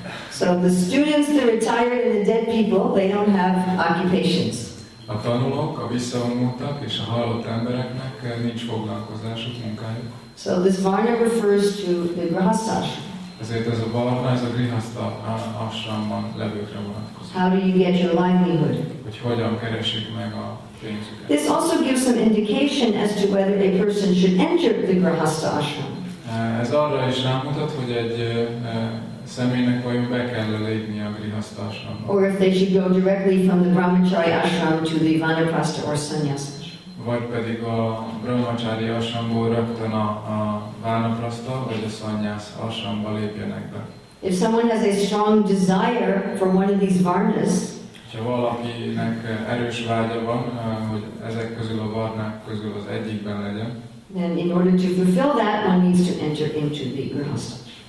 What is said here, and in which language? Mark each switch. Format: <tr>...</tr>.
<en>So the students, the retired, and the dead people, they don't have occupations.</en> <hu>A tanulók, a visszavonultak és a halott embereknek nincs foglalkozásuk, munkájuk.</hu> <en>So this varna refers to the grihastha.</en> <hu>Ezért ez a varna, ez a grihastha ashramban levőkre vonatkozik.</hu> <en>How do you get your livelihood?</en> <hu>Hogy hogyan keresik meg a pénzüket.</hu> <en>This also gives some indication as to whether a person should enter the grihastha ashram.</en> <hu>Ez arra is rámutat, hogy egy személynek vajon be kell lépni a grihastha ashramba.</hu> <en>Or if they should go directly from the brahmachari ashram to the vanaprastha or sannyasa.</en> <hu>Vagy pedig a brahmachari ashramból rögtön a vanaprastha vagy a sannyasa ashramba lépjenek be.</hu> <en>If someone has a strong desire for one of these varnas.</en> <hu>Ha valakinek erős vágya van, hogy ezek közül a varnák közül az egyikben legyen.</hu> <en>Then in order to fulfill that, one needs to enter into the grihastha.</en>